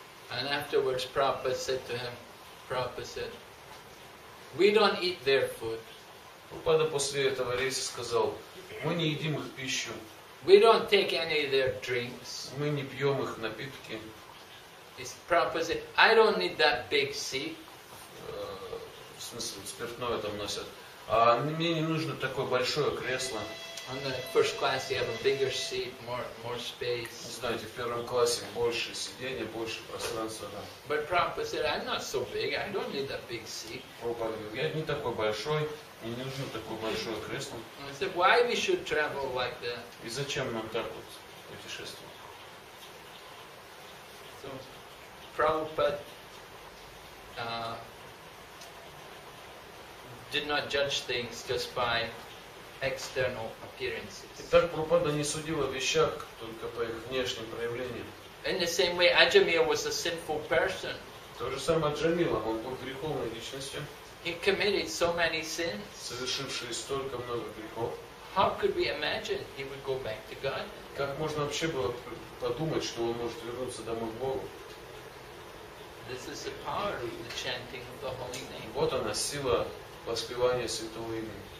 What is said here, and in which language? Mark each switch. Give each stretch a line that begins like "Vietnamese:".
English: And afterwards Prabhupada said, we don't eat their food.
Russian: Прабхупада после этого рейса сказал, мы не едим их пищу.
English: We don't take any of their drinks.
Russian: Мы не пьем их напитки.
English: Прабхупада said, I don't need that big seat.
Russian: В смысле, спиртное там носят. А мне не нужно такое большое кресло.
English: On the first class you have a bigger seat, more space.
Russian: Знаете, в первом классе больше сиденья, больше пространства, да.
English: But Prabhupada said, I'm not so big, I don't need a big seat.
Russian: Прабхупада говорит, я не такой большой, мне не нужно такое большое кресло.
English: And I said, why we should travel like that?
Russian: И зачем нам так вот путешествовать?
English: So, Prabhupada did not judge things just by external appearances.
Russian: Итак, Прабхупада не судил о вещах только по их внешним проявлениям.
English: In the same way, Аджамила was a sinful person.
Russian: То же самое Аджамила, он был греховной личностью.
English: He committed so many sins.
Russian: Совершивший столько много грехов.
English: How could we imagine he would go back to God?
Russian: Как можно вообще было подумать, что он может вернуться домой к Богу?
English: This is the power of the chanting of the holy name.
Russian: Вот она сила воспевания святого имени.